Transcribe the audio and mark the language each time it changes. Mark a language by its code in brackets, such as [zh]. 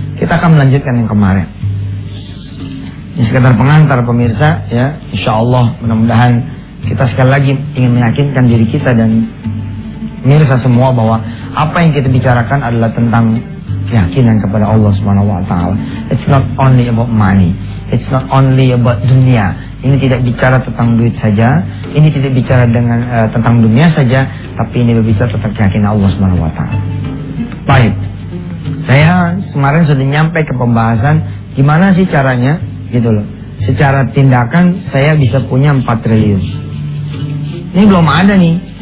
[id] Kita akan melanjutkan yang kemarin. Ini sekedar pengantar, pemirsa, ya. Insyaallah mudah-mudahan kita sekali lagi ingin meyakinkan diri kita dan pemirsa semua bahwa apa yang kita bicarakan adalah tentang keyakinan kepada Allah Subhanahu wa taala. [en] It's not only about money. It's not only about dunia. [id] Ini tidak bicara tentang duit saja, ini tidak bicara dengan tentang dunia saja, tapi ini berbicara tentang keyakinan Allah Subhanahu wa taala. Baik. Saya kemarin sudah nyampe ke pembahasan gimana sih caranya gitu loh. Secara tindakan saya bisa punya 4 triliun. Ini belum ada nih.